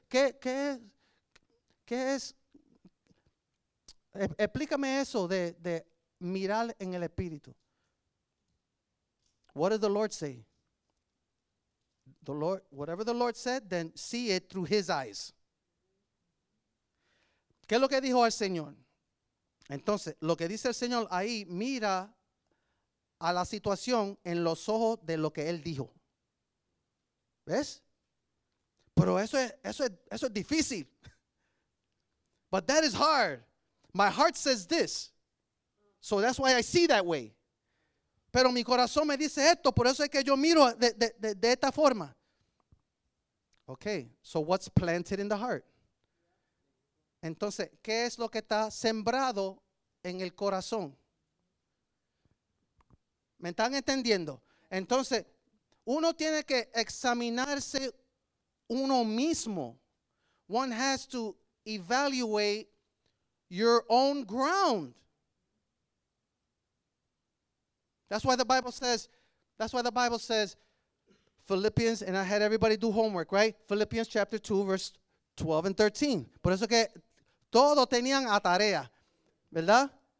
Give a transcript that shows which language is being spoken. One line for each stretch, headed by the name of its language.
Spanish: ¿Qué es? Explícame eso de mirar en el espíritu.
English: What does the Lord say? Whatever the Lord said, then see it through his eyes.
Spanish: ¿Qué es lo que dijo el Señor? Entonces, lo que dice el Señor ahí, mira a la situación en los ojos de lo que él dijo. ¿Ves? Pero eso es difícil.
English: But that is hard. My heart says this. So that's why I see that way.
Spanish: Pero mi corazón me dice esto, por eso es que yo miro de esta forma.
English: Okay, so what's planted in the heart?
Spanish: Entonces, ¿qué es lo que está sembrado en el corazón? ¿Me están entendiendo? Entonces, uno tiene que examinarse uno mismo.
English: One has to evaluate your own ground. That's why the Bible says, Philippians, and I had everybody do homework, right? Philippians chapter 2, verse 12 and 13.
Spanish: Por eso que todos tenían a tarea, ¿verdad?